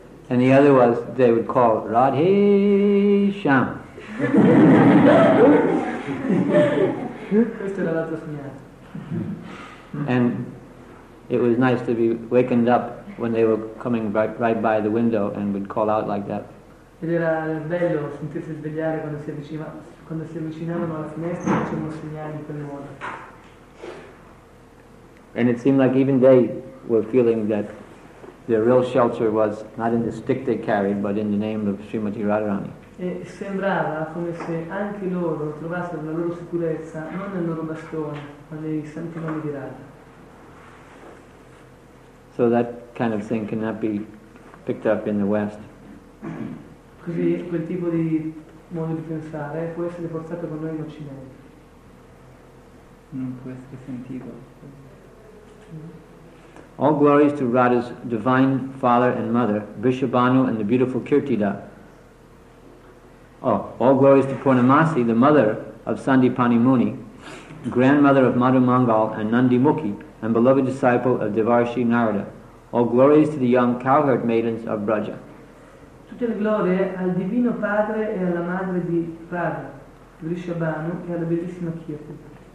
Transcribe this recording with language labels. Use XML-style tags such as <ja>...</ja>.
<en>and the other was they would call Radhe Sham.</en> <it>Questo era l'altro segnale.</it> <en>And it was nice to be wakened up when they were coming right by the window and would call out like that.</en> <it>Ed era bello sentirsi svegliare quando si avvicinavano alla finestra e facevano segnali in quel modo.</it> <en>And it seemed like even they were feeling that their real shelter was not in the stick they carried, but in the name of Srimati Radharani.</en> <it>E sembrava come se anche loro trovassero la loro sicurezza non nel loro bastone, ma nei santi nomi di Radha.</it> <en>So that kind of thing cannot be picked up in the West.</en> <it>Così quel tipo di modo di pensare può essere portato con noi in Occidente. Non può essere sentito.</it> <en>All glories to Radha's divine father and mother, Vrishabhanu and the beautiful Kirtida. Oh, all glories to Purnamasi, the mother of Sandipani Muni, grandmother of Madhu Mangal and Nandi Mukhi, and beloved disciple of Devarshi Narada. All glories to the young cowherd maidens of Braja.</en> <it>Tutte le glorie al divino padre e alla madre di Radha, Vrishabhanu, e alla bellissima Kirtida.</it>